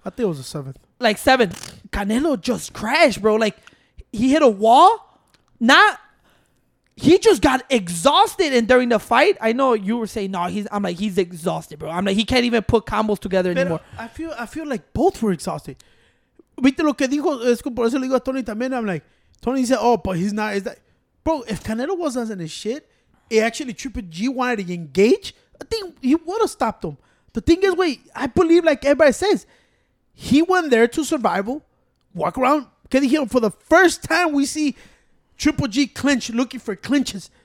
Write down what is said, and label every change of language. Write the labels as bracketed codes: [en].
[en] I think it was the seventh. Like seventh. Canelo just crashed, bro. Like, he hit a wall. Not. He just got exhausted. And during the fight, I know you were saying, no, I'm like, he's exhausted, bro. I'm like, he can't even put combos together anymore. I feel like both were exhausted. [es] Viste lo que dijo, es que por eso le digo a Tony también. [en] I'm like, Tony said, oh, but he's not. Is that, bro, if Canelo wasn't in his shit, he actually, Triple G wanted to engage, I think he would have stopped him. The thing is, wait, I believe, like everybody says, he went there to survival, walk around, get him. For the first time, we see Triple G clinch, looking for clinches.